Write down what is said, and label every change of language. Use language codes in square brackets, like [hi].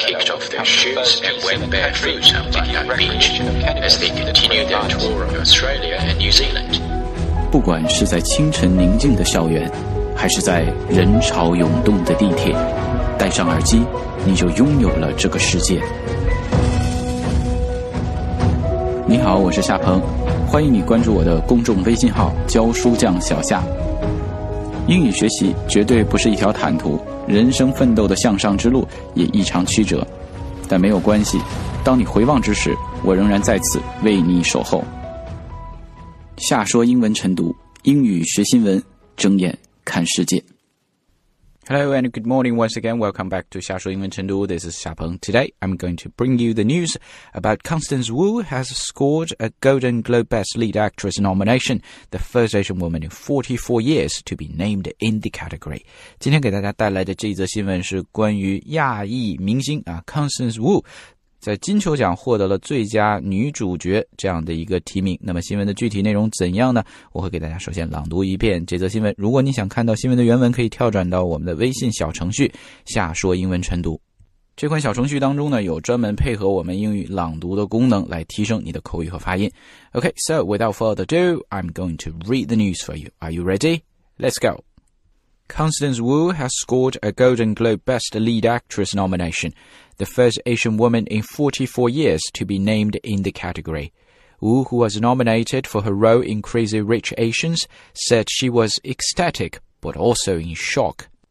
[en] kicked off their shoes and went barefoot on the unknown beach as they continued their tour of Australia and New Zealand. [zh] 不管是在清晨宁静的校园，还是在人潮涌动的地铁，戴上耳机，你就拥有了这个世界。你好，我是夏鹏，欢迎你关注我的公众微信号教书匠小夏。英语学习绝对不是一条坦途，人生奋斗的向上之路也异常曲折，但没有关系，当你回望之时，我仍然在此为你守候。夏说英文晨读，英语学新闻，睁眼看世界。 [en] Hello and good morning once again. Welcome back to 夏说英文晨读.This is 夏鹏. Today, I'm going to bring you the news about Constance Wu has scored a Golden Globe Best Lead Actress nomination, the first Asian woman in 44 years to be named in the category. [zh] 今天给大家带来的这则新闻是关于亚裔明星啊 Constance Wu在金球奖获得了最佳女主角这样的一个提名。那么新闻的具体内容怎样呢？我会给大家首先朗读一遍这则新闻。如果你想看到新闻的原文，可以跳转到我们的微信小程序下说英文晨读。这款小程序当中呢，有专门配合我们英语朗读的功能来提升你的口语和发音。 [en] OK, so without further ado, I'm going to read the news for you. Are you ready? Let's go! Constance Wu has scored a Golden Globe Best Lead Actress nomination, the first Asian woman in 44 years to be named in the category. Wu, who was nominated for her role in Crazy Rich Asians, said she was ecstatic but also in shock.